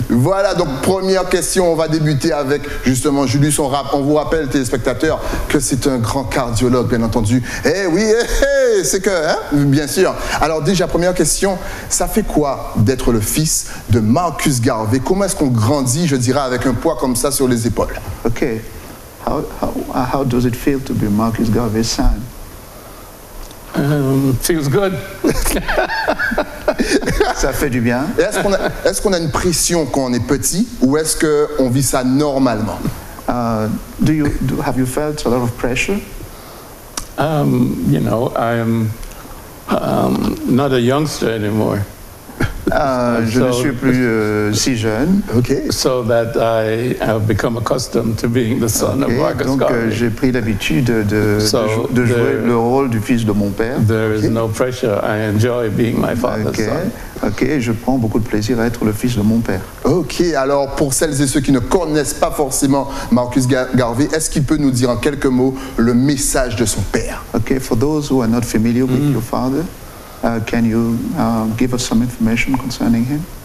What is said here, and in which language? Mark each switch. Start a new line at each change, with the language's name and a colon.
French: Voilà, donc première question, on va débuter avec justement Julius. On vous rappelle, téléspectateurs, que c'est un grand cardiologue, bien entendu. Eh oui, c'est que, hein, bien sûr. Alors déjà, première question, ça fait quoi d'être le fils de Marcus Garvey? Comment est-ce qu'on grandit, je dirais, avec un poids comme ça sur les épaules? Ok.
English: How does it feel to be Marcus Garvey's son? Feels good.
French: Ça fait du bien. Est-ce qu'on a une pression quand on est petit, ou est-ce qu'on vit ça normalement?
English: Have you felt a lot of pressure? You know, I'm not a youngster anymore.
French: Je ne suis plus si jeune.
English: Okay. So that I have become accustomed to being the son of Marcus Garvey.
French: Donc j'ai pris l'habitude de jouer le rôle du fils de mon père.
English: There is no pressure. I enjoy being my father's son.
French: Ok, je prends beaucoup de plaisir à être le fils de mon père. Ok, alors pour celles et ceux qui ne connaissent pas forcément Marcus Garvey, est-ce qu'il peut nous dire en quelques mots le message de son père?
English: Ok, for those who are not familiar with your father, can you give us some information concerning him?